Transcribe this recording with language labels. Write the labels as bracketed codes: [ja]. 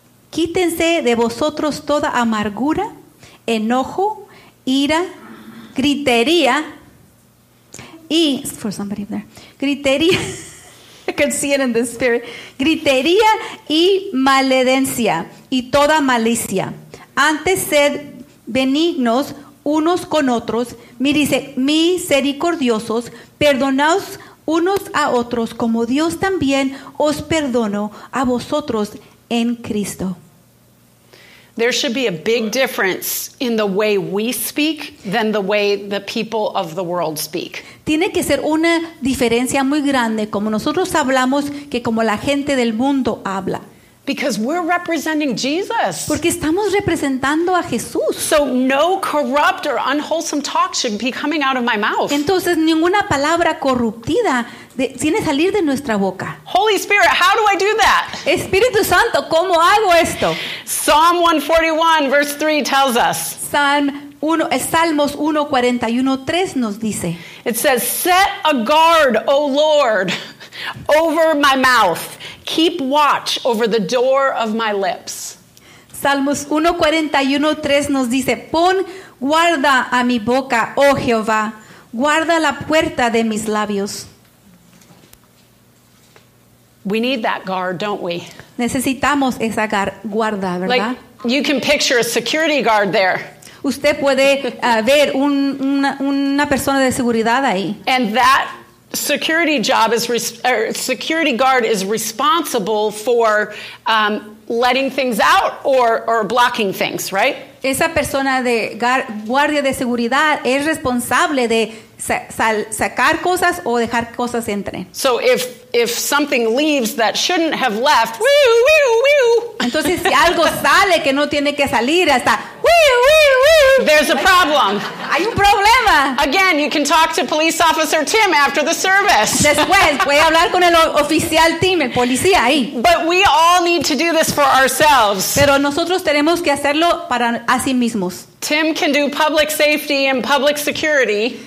[es] Quítense de vosotros toda amargura, enojo, ira, gritería y [en] for somebody there, [es] gritería, [en] I can see it in the spirit, [es] gritería y maledencia y toda malicia. Antes sed benignos unos con otros, misericordiosos, perdonaos unos a otros, como Dios también os perdonó a vosotros en Cristo." [en] There should be a big difference in the way we speak than the way the people of the world speak. [es] Tiene que ser una diferencia muy grande como nosotros hablamos que como la gente del mundo habla. [en] Because we're representing Jesus. [es] Porque estamos representando a Jesús. [en] So no corrupt or unwholesome talk should be coming out of my mouth. [es] Entonces ninguna palabra corruptida tiene que salir de nuestra boca. [en] Holy Spirit, how do I do that? [es] Espíritu Santo, ¿cómo hago esto? [en] Psalm 141 verse 3 tells us. [es] Salmos 141:3 nos dice. [en] It says, "Set a guard, O Lord, over my mouth. Keep watch over the door of my lips." [es] Salmos 141:3 nos dice, "Pon guarda a mi boca, oh Jehová, guarda la puerta de mis labios." [en] We need that guard, don't we? [es] Necesitamos esa guarda, ¿verdad? [en] Like, you can picture a security guard there. [es] Usted puede ver una persona de seguridad ahí. [en] And that security guard is responsible for letting things out or blocking things, right? [es] Esa persona de guardia de seguridad es responsable de sacar cosas o dejar cosas entre. [en] So if something leaves that shouldn't have left, woo, woo, woo. [es] Entonces si algo sale que no tiene que salir hasta woo, woo, woo. [en] There's a problem. [es] Hay un problema. [en] Again, you can talk to police officer Tim after the service. [es] Después voy a hablar con el oficial Tim, el policía ahí. [en] But we all need to do this for ourselves. [es] Pero nosotros tenemos que hacerlo para a sí mismos. [en] Tim can do public safety and public security.